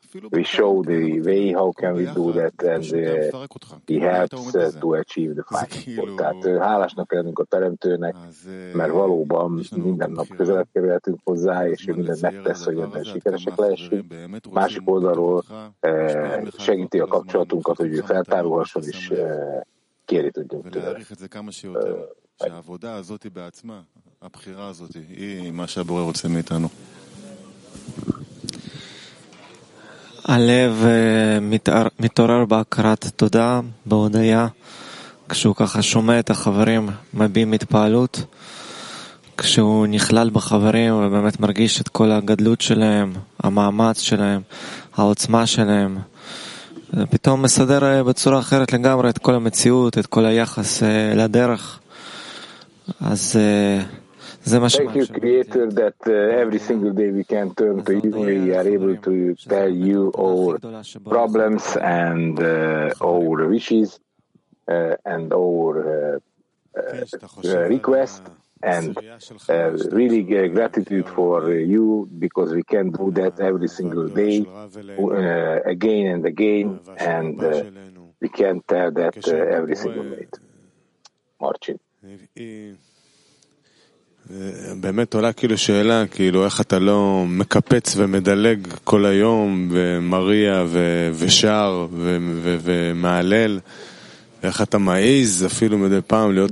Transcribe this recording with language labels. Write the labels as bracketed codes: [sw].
[en] We show the way, how can we do that, and he helps to achieve the final. [hu] Tehát hálásnak lennünk a Teremtőnek, mert valóban minden nap közelebb kerülhetünk hozzá, és ő mindent megtesz, hogy ebben sikeresek lehessünk. Másik oldalról segíti a kapcsolatunkat, hogy ő feltárulhasson, és kéri tudjunk tőle. [he] הלב מתעורר בהכרת תודה, בהודיה, כשהוא ככה שומע את החברים מביעים התפעלות, כשהוא נכלל בחברים ובאמת מרגיש את כל הגדלות שלהם, המאמץ שלהם, העוצמה שלהם. פתאום מסדר בצורה אחרת לגמרי את כל המציאות, את כל היחס לדרך. אז... [en] Thank you, Creator, that every single day we can turn to you, we are able to tell you our problems and our wishes and our requests, and really gratitude for you, because we can do that every single day, again and again, and we can tell that every single night. Marcin. [he] באמת עולה כאילו שאלה, כאילו איך אתה לא מקפץ ומדלג כל היום ומריע ושר ומעלל, איך אתה מעיז אפילו מדי פעם להיות